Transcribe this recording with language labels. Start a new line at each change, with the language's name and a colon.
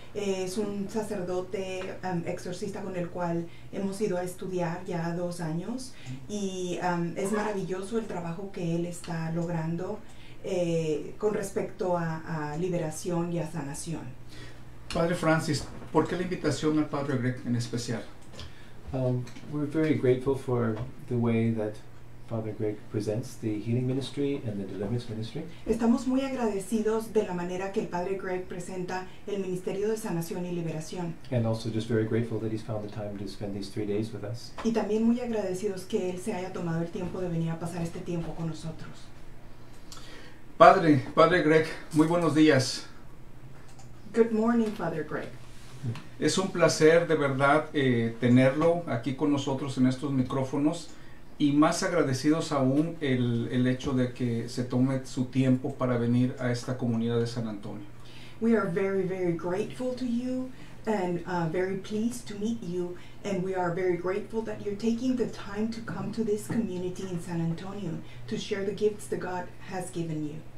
Spanish: Es un sacerdote exorcista con el cual hemos ido a estudiar ya 2 años y es maravilloso el trabajo que él está logrando con respecto a liberación y a sanación. Padre Francis, ¿por qué la invitación al padre Greg en especial?
English: We're very grateful for the way that Father Greg presents the healing ministry and the deliverance ministry.
Spanish: Estamos muy agradecidos de la manera que el padre Greg presenta el ministerio de sanación y liberación.
English: And also just very grateful that he's found the time to spend these 3 days with us.
Spanish: Y también muy agradecidos que él se haya tomado el tiempo de venir a pasar este tiempo con nosotros. Padre Greg, muy buenos días.
English: Good morning, Father Greg.
Spanish: Es un placer de verdad tenerlo aquí con nosotros en estos micrófonos. Y más agradecidos aún el hecho de que se tome su tiempo para venir a esta comunidad de San Antonio.
English: We are very, very grateful to you and very pleased to meet you. And we are very grateful that you're taking the time to come to this community in San Antonio to share the gifts that God has given you.